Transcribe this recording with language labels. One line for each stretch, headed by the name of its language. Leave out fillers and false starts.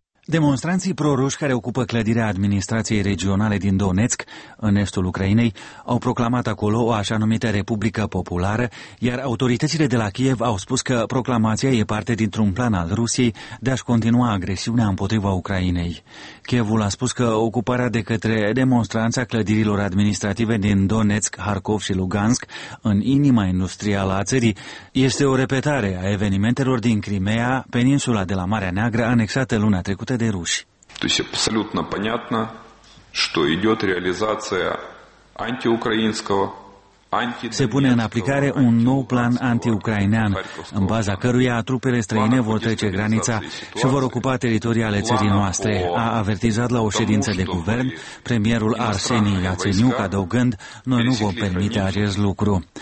Romanian: Demonstranții proruși care ocupă clădirea administrației regionale din Donețk, în estul Ucrainei, au proclamat acolo o așa numită Republică Populară, iar autoritățile de la Kiev au spus că proclamația e parte dintr-un plan al Rusiei de a-și continua agresiunea împotriva Ucrainei. Kievul a spus că ocuparea de către demonstranța clădirilor administrative din Donețk, Harkov și Lugansk, în inima industrială a țării, este o repetare a evenimentelor din Crimea, peninsula de la Marea Neagră, anexată luna trecută.
Russian: То есть абсолютно понятно, что идет реализация антиукраинского.
Romanian: Se pune în aplicare un nou plan anti-ucrainean, în baza căruia trupele străine vor trece granița și vor ocupa teritorii ale țării noastre, a avertizat la o ședință de guvern premierul Arseniy Yatsenyuk, adăugând: noi nu vom permite acest lucru.